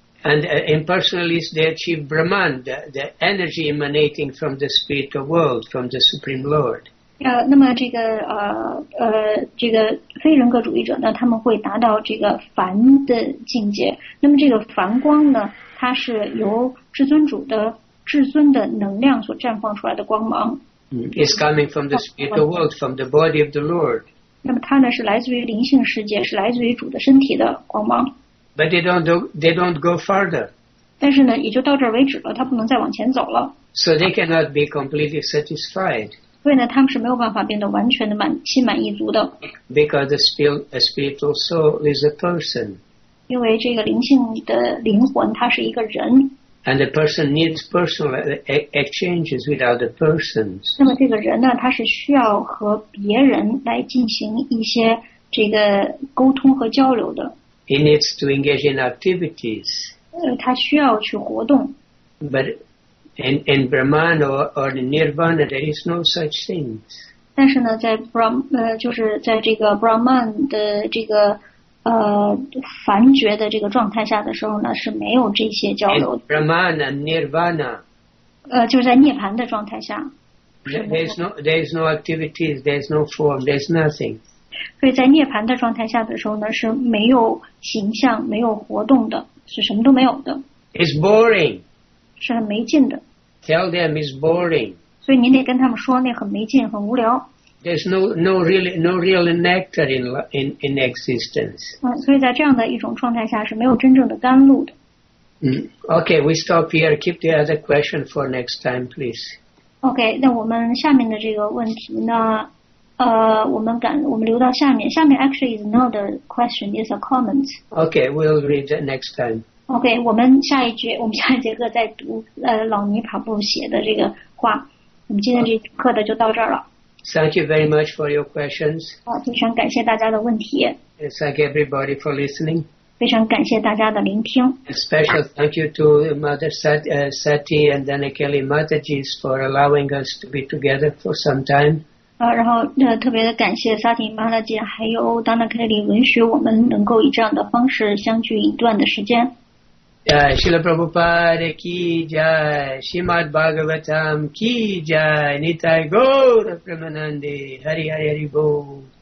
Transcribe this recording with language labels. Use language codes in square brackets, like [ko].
[en] And impersonalists, they achieve Brahman, the energy emanating from the spiritual world, from the Supreme Lord. [zh] 那么这个这个非人格主义者呢，他们会达到这个梵的境界。那么这个梵光呢，它是由至尊主的至尊的能量所绽放出来的光芒。 [en] It's coming from the spiritual world, from the body of the Lord. [zh] 那么它呢，是来自于灵性世界，是来自于主的身体的光芒。 [en] But they don't go further. [zh] 但是呢，也就到这儿为止了，他不能再往前走了。 [en] So they cannot be completely satisfied. [zh] 所以呢，他们是没有办法变得完全的满心满意足的。 [en] Because a spiritual soul is a person. [zh] 因为这个灵性的灵魂，它是一个人。 [en] And the person needs personal exchanges with other persons. [zh] 那么这个人呢，他是需要和别人来进行一些这个沟通和交流的。 [en] He needs to engage in activities. [zh] 他需要去活动。 [en] But in Brahman or in Nirvana, there is no such things. [zh] 但是呢，在 就是在这个 Brahman 的这个梵觉的这个状态下的时候呢，是没有这些交流的。 [en] In Brahman and Nirvana. [zh] 就是在涅槃的状态下。 [en] There is no activities. There is no form. There is nothing. [zh] 所以在涅槃的状态下的时候呢，是没有形象、没有活动的，是什么都没有的。 [en] It's boring， [zh] 是很没劲的。 [en] Tell them it's boring。 [zh] 所以你得跟他们说，那很没劲、很无聊。 [en] There's no real nectar in existence。 [zh] 所以在这样的一种状态下是没有真正的甘露的。 [en] Okay, we stop here. Keep the other question for next time, please. [zh] Okay， 那我们下面的这个问题呢？我们留到下面。下面 [en] actually is not a question, it's a comment. Okay, we'll read that next time. [zh] Okay, 我们下一节课再读老尼帕布写的这个话。我们今天这课的就到这儿了。 [en] Thank you very much for your questions. [zh] 非常感谢大家的问题。 [en] Thank everybody for listening. [zh] 非常感谢大家的聆听。 [en] A special thank you to Mother Sati and Dhanakeli Mataji for allowing us to be together for some time. [zh] 然后特别的感谢萨提玛拉姐还有丹娜凯里允许我们能够以这样的方式相聚一段的时间。 [en] Srila Prabhupada ki jai, Srimad Bhagavatam ki jai, Nitai Gaura Premanande, Hari Hari Hari Bo.